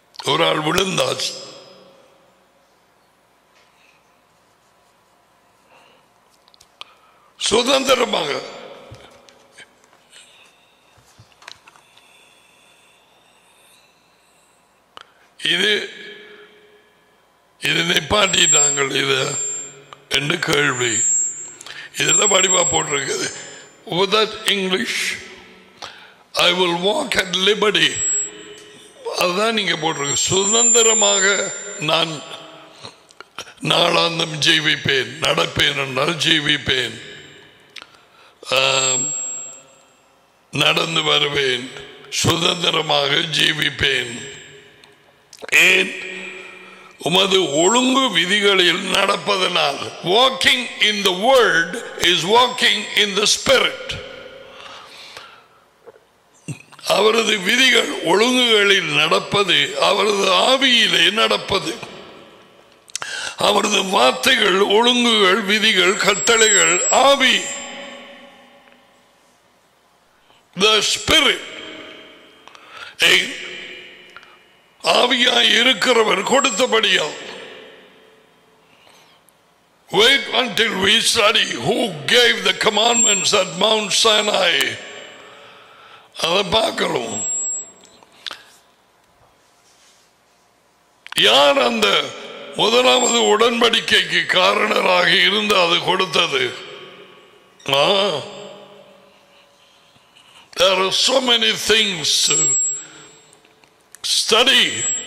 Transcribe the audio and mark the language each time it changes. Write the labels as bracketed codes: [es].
[ta] ஒரு ஆள் விழுந்தாச்சு, சுதந்திரமாக இது இது நிப்பாட்டிட்டாங்கள். இது என்று கேள்வி. இதெல்லாம் வடிவா போட்டிருக்குது. [en] With English I will walk at liberty. [ta] அதுதான் நீங்க போட்டிருக்க, சுதந்திரமாக நான் நாளாந்தம் ஜீவிப்பேன், நடப்பேன் என்றால் ஜீவிப்பேன், நடந்து வருவேன், சுதந்திரமாக ஜீவிப்பேன். ஏன்? உமது ஒழுங்கு விதிகளில் நடப்பதனால். [en] Walking in the word is walking in the spirit. [ta] அவரது விதிகள் ஒழுங்குகளில் நடப்பது அவரது ஆவியிலே நடப்பது. அவரது வார்த்தைகள், ஒழுங்குகள், விதிகள், கட்டளைகள் ஆவி. [en] The spirit. [ta] ஆவியாய் இருக்கிறவர் கொடுத்தபடியால் [en] until we study who gave the commandments at Mount Sinai. [ta] அத பார்க்கணும். யார் அந்த முதலாவது உடன்படிக்கைக்கு காரணராக இருந்து அது கொடுத்தது? [en] There are so many things to study.